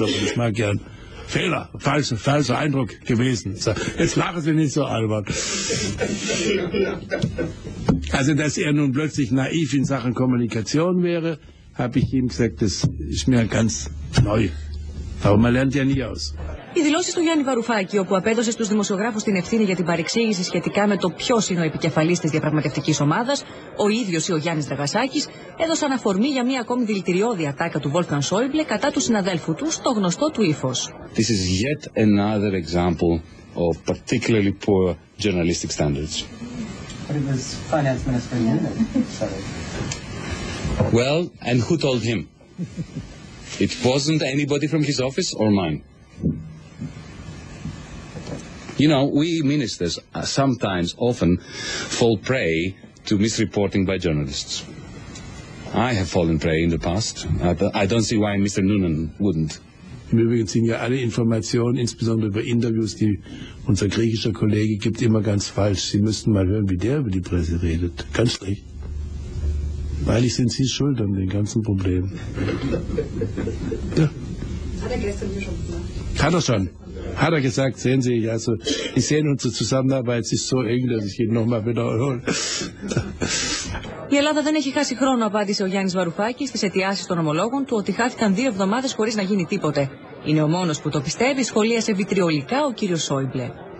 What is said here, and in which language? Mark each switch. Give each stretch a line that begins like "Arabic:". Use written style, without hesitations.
German: Also ich mag gern Fehler, falscher Eindruck gewesen. Jetzt lachen Sie nicht so albern. Also dass er nun plötzlich naiv in Sachen Kommunikation wäre, habe ich ihm gesagt, das ist mir ganz neu. Aber man lernt ja nie aus.
Greek: Οι δηλώσεις του Γιάννη Βαρουφάκη, όπου απέδωσε στους δημοσιογράφους την ευθύνη για την παρεξήγηση σχετικά με το ποιος είναι ο επικεφαλής της διαπραγματευτικής ομάδας, ο ίδιος ή ο Γιάννης Δραγασάκης, έδωσαν αφορμή για μια ακόμη δηλητηριώδη ατάκα του Βόλφγκανγκ Σόιμπλε κατά του συναδέλφου του στο γνωστό του ύφος.
English: This is yet another example of particularly poor journalistic standards. But it was finance minister, yeah. Well, and who told him? It wasn't anybody from his office or mine. You know, we ministers sometimes often fall prey to misreporting by journalists. I have fallen prey in the past. I don't see why Mr. Noonan wouldn't.
German: Im Übrigen sind ja alle Informationen, insbesondere über Interviews, die unser griechischer Kollege gibt, immer ganz falsch. Sie müssten mal hören, wie der über die Presse redet. Ganz schlecht. Weil ich sind Sie schuld an den ganzen Problemen. Ja. Hat er gestern hier schon gemacht? Hat er schon. Hat er gesagt, sehen Sie, also ich sehe unsere Zusammenarbeit, es ist so eng, dass ich ihn nochmal wiederhole.
Greek: Η Ελλάδα δεν έχει χάσει χρόνο, απάντησε ο Γιάννης Βαρουφάκης στις αιτιάσεις των ομολόγων του ότι χάθηκαν δύο εβδομάδες χωρίς να γίνει τίποτε. Είναι ο μόνος που το πιστεύει, σχολίασε βιτριολικά ο κύριος Σόιμπλε.